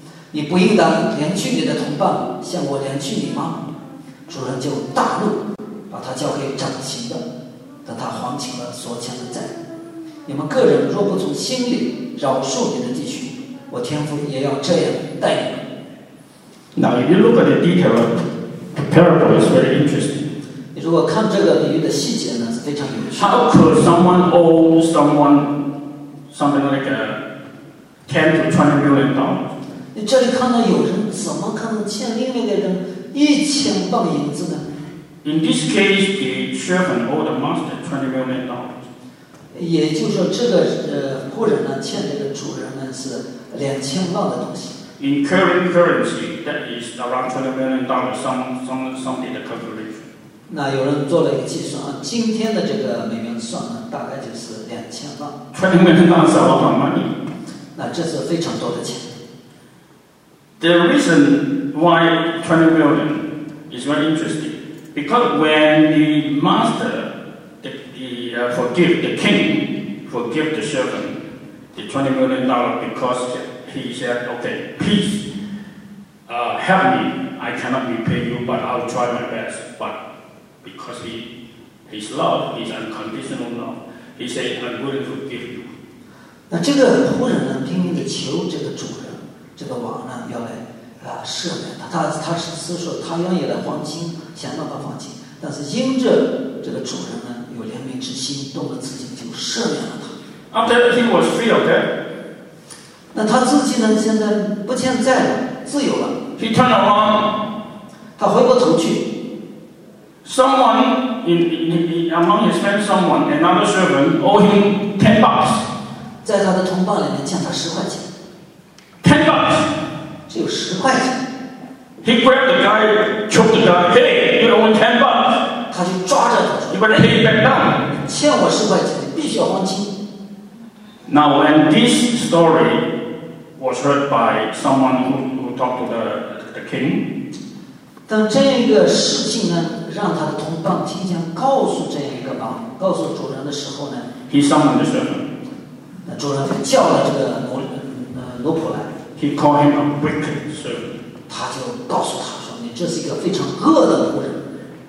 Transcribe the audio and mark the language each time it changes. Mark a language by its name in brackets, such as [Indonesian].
[Chinese] 你不应当连续你的同伴向我连续你吗？” 主人就大怒，把他交给掌刑的，等他还清了所欠的债。你们个人若不从心里饶恕你的弟兄，我天父也要这样待你们。 [English] Now if you look at the detail of the parable, it's very interesting. [Chinese] 你如果看这个比喻的细节呢，是非常有趣的。 [English] How could someone owe someone something like $10 to $20 million? [Chinese] 你这里看到有人怎么可能欠另外的人$1,000,000呢？ [English] In this case, the servant owed the master $20 million. [Chinese] 也就是说，这个仆人呢，欠这个主人呢是$2,000,000的东西。 [English] In current currency, that is around $20 million. Some did a calculation. [Chinese] 那有人做了一个计算，今天的这个美元算呢，大概就是$2,000,000。 [English] $20 million is a lot of money. [Chinese] 那这是非常多的钱。 [English] The reason why $20 million is very interesting, because when the master, the king forgive the servant the $20 million because he said, okay, please, help me. I cannot repay you, but I'll try my best. But because his love is unconditional love, he said, I'm willing to forgive you. [Chinese] 那这个仆人呢，拼命地求这个主人。这个王呢，要来赦免他。他是说，他愿意来还清，想办法还清。但是因着这个主人呢，有怜悯之心，动了慈心，就赦免了他。 [English] After he was free of debt, [Chinese] 那他自己呢，现在不欠债了，自由了。 [English] He turned around, [Chinese] 他回过头去。 [English] Someone in among his friends, someone another servant owe him $10. [Chinese] 在他的同伴里面欠他$10。 [English] $10. [Chinese] 只有$10。 [English] He grabbed the guy, choked the guy. Hey, you owe me $10. [Chinese] 他就抓着他说 [English] ，You better pay back down. [Chinese] 你欠我$10，你必须要还清。 [English] Now, when this story was heard by someone who talked to the king, [Chinese] 当这个事情呢，让他的同伴提前告诉这一个王，告诉主人的时候呢 [English] ，He summoned the servant. [Chinese] 那主人就叫了这个奴隶。奴仆来 [English] ，He called him a wicked servant. [Chinese] 他就告诉他说：“你这是一个非常恶的仆人。